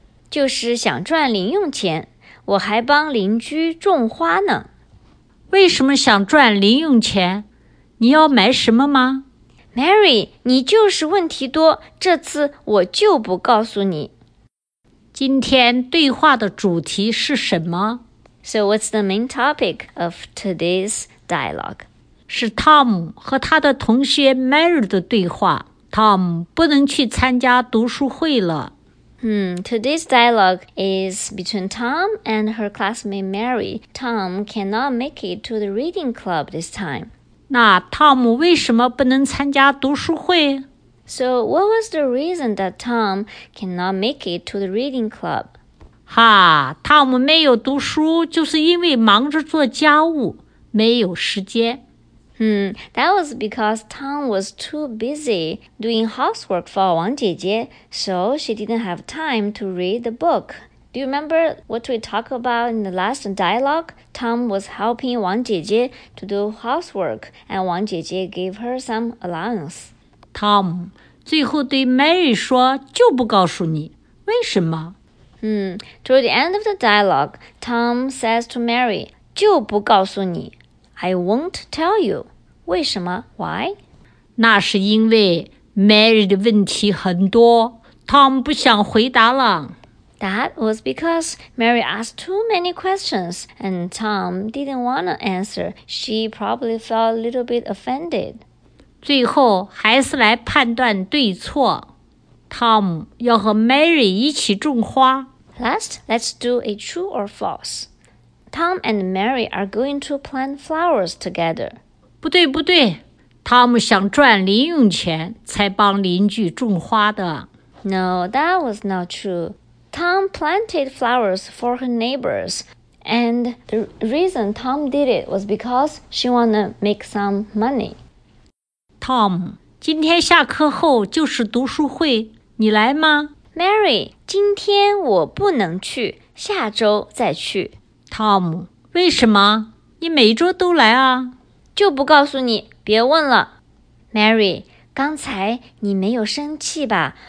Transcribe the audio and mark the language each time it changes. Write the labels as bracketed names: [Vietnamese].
[Chinese] 就是想赚零用钱，我还帮邻居种花呢。为什么想赚零用钱？你要买什么吗？Mary, 你就是问题多，这次我就不告诉你。今天对话的主题是什么？ [English] So what's the main topic of today's dialogue? [Chinese] 是 Tom 和他的同学 Mary 的对话。 Tom 不能去参加读书会了。 [English] Today's dialogue is between Tom and her classmate Mary. Tom cannot make it to the reading club this time. [Chinese] 那 Tom 为什么不能参加读书会？ [English] So, what was the reason that Tom cannot make it to the reading club? [Chinese] 哈, Tom 没有读书就是因为忙着做家务,没有时间。 [English] That was because Tom was too busy doing housework for 王姐姐, so she didn't have time to read the book. Do you remember what we talked about in the last dialogue? Tom was helping 王姐姐 to do housework, and 王姐姐 gave her some allowance. [Chinese] Tom, 最后对 Mary 说就不告诉你为什么。 [English] Toward the end of the dialogue, Tom says to Mary, [Chinese] 就不告诉你。 [English] I won't tell you. [Chinese] 为什么 [English] ?Why? [Chinese] 那是因为 Mary 的问题很多 ,Tom 不想回答了。 [English] That was because Mary asked too many questions and Tom didn't want to answer. She probably felt a little bit offended. [Chinese] 最后还是来判断对错。Tom 要和 Mary 一起种花。 [English] Last, let's do a true or false. Tom and Mary are going to plant flowers together. [Chinese] 不对不对 ,Tom 想赚零用钱才帮邻居种花的。 [English] No, that was not true. Tom planted flowers for her neighbors, and the reason Tom did it was because she wanted to make some money. [Chinese] Tom, 今天下课后就是读书会,你来吗? Mary, 今天我不能去，下周再去。 Tom, 为什么？你每周都来啊。就不告诉你，别问了。Mary, 刚才你没有生气吧？